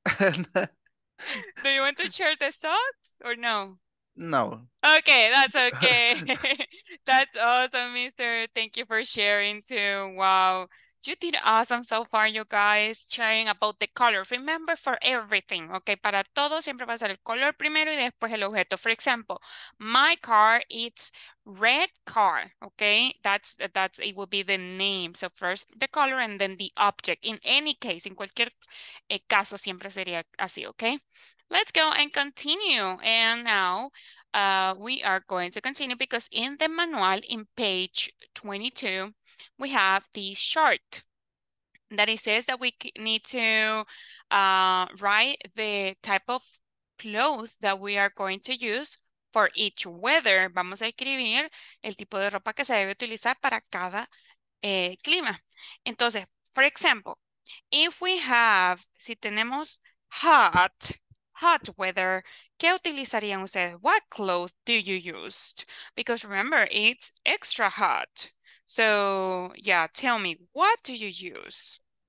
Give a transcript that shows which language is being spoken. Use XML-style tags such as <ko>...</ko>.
<en>Do you want to share the socks or no? No. Okay, that's okay. That's awesome, mister. Thank you for sharing too. Wow. You did awesome so far, you guys, sharing about the color. Remember, for everything, okay?</en> <es>Para todo siempre va a ser el color primero y después el objeto.</es> <en>For example, my car, it's red car, okay? That's it would be the name. So first the color and then the object. In any case,</en> <es>in cualquier caso, siempre sería así, okay?</es> <en>Let's go and continue. And now we are going to continue because in the manual, in page 22, we have the chart that it says that we need to write the type of clothes that we are going to use for each weather.</en> <es>Vamos a escribir el tipo de ropa que se debe utilizar para cada clima.</es> <en>Entonces, for example, if we have,</en> <es>si tenemos</es> <en>hot weather,</en> <es>¿qué utilizarían ustedes?</es> <en>What clothes do you use? Because remember, it's extra hot. So, yeah, tell me, what do you use?</en>